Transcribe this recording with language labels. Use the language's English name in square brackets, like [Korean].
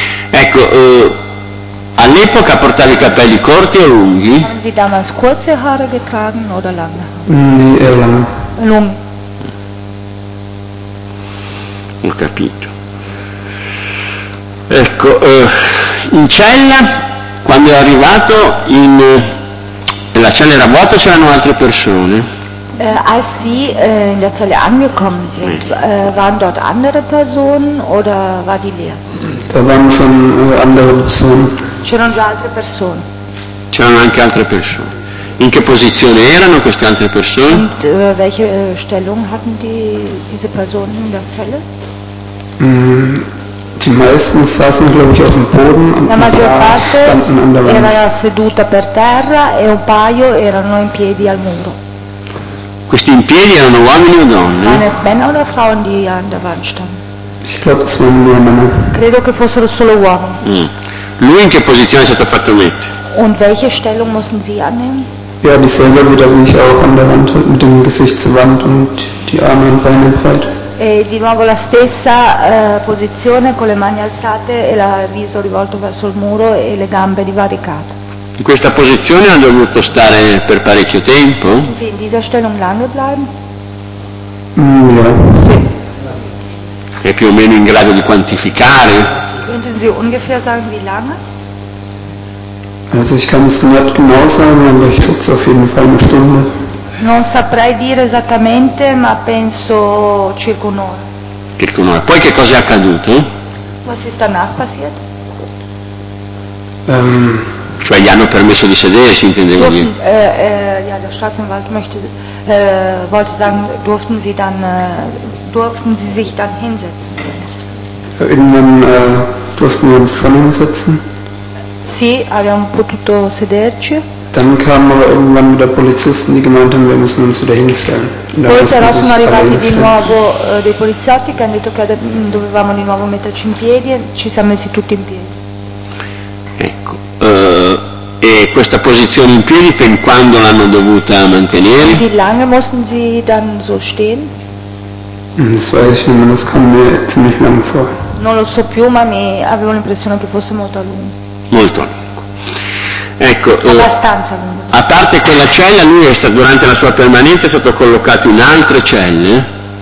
[Italian] Ecco, all'epoca portavi i capelli corti o lunghi? [German] Haben Sie damals kurze Haare getragen oder lange? Nee, eher lange. [Italian] Lunghi. Ho capito. Ecco, in cella, quando è arrivato in... La cella era vuota o c'erano altre persone? [German] Als Sie in der Zelle angekommen sind, waren dort andere Personen oder war die leer? Da waren schon andere Personen. [Italian] C'erano già altre persone. C'erano anche altre persone. In che posizione erano queste altre persone? [German] Und welche Stellung hatten diese Personen in der Zelle? Die meisten saßen, glaube ich, auf dem Boden und ein paar standen an der Wand. [Italian] Era seduta per terra e un paio erano in piedi al muro. Questi in piedi erano uomini o donne? [German] Es Männer oder Frauen, die an der Wand standen? Ich glaube, es waren nur Männer. [Italian] Credo che fossero solo uomini. Mm. Lui in che posizione è stato fatto mettere? [German] Und welche Stellung mussten Sie annehmen? Ja, dieselbe wieder, wie ich auch an der Wand, mit dem Gesicht zur Wand und die Arme und Beine breit. [Italian] E di nuovo la stessa posizione con le mani alzate e il viso rivolto verso il muro e le gambe divaricate. In questa posizione ha dovuto stare per parecchio tempo? [German] Sì, in dieser Stellung lange bleiben? Ja. [Italian] Sì. È più o meno in grado di quantificare? [German] Könnten Sie ungefähr sagen, wie lange? Also ich kann es nicht genau sagen, aber ich schätze auf jeden Fall eine Stunde. [Italian] Non saprei dire esattamente, ma penso circa un'ora. Circa un'ora. Poi che cosa è accaduto? [German] Was ist danach passiert? [Italian] Cioè gli hanno permesso di sedersi, intendevo dire. [German] Ja, der Staatsanwalt wollte sagen, durften sie sich dann hinsetzen? Irgendwann durften wir uns schon hinsetzen. [Italian] Sì, abbiamo potuto sederci. [German] Dann kamen aber irgendwann wieder Polizisten, die gemeint haben, wir müssen uns wieder hinstellen. [Italian] Poi però sono arrivati di nuovo dei poliziotti che hanno detto che dovevamo di nuovo metterci in piedi e ci siamo messi tutti in piedi. Ecco, e questa posizione in piedi fin quando l'hanno dovuta mantenere? [German] Wie lange mussten sie dann so stehen? Das weiß ich nicht mehr, das kam mir ziemlich lang vor. [Italian] Non lo so più, ma mi avevo l'impressione che fosse molto a lungo. Molto a lungo. Ecco, abbastanza lungo. A parte quella cella, lui è stato, durante la sua permanenza è stato collocato in altre celle?